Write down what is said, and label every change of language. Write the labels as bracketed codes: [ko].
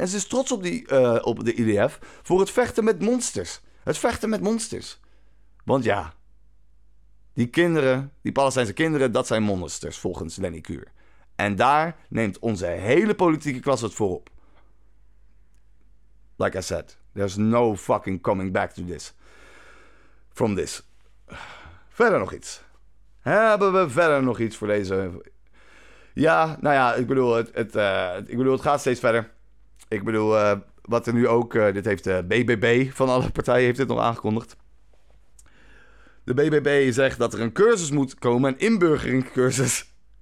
[nl] En ze is trots op de IDF voor het vechten met monsters. Het vechten met monsters. Want ja, die kinderen, die Palestijnse kinderen, dat zijn monsters volgens Lenny Kuur. En daar neemt onze hele politieke klasse het voor op. [en] Like I said, there's no fucking coming back to this. From this. [nl] Verder nog iets. Hebben we verder nog iets voor deze? Ja, nou ja, ik bedoel, het gaat steeds verder. Ik bedoel, wat er nu ook, dit heeft de BBB van alle partijen heeft dit nog aangekondigd. De BBB zegt dat er een cursus moet komen, een inburgeringcursus.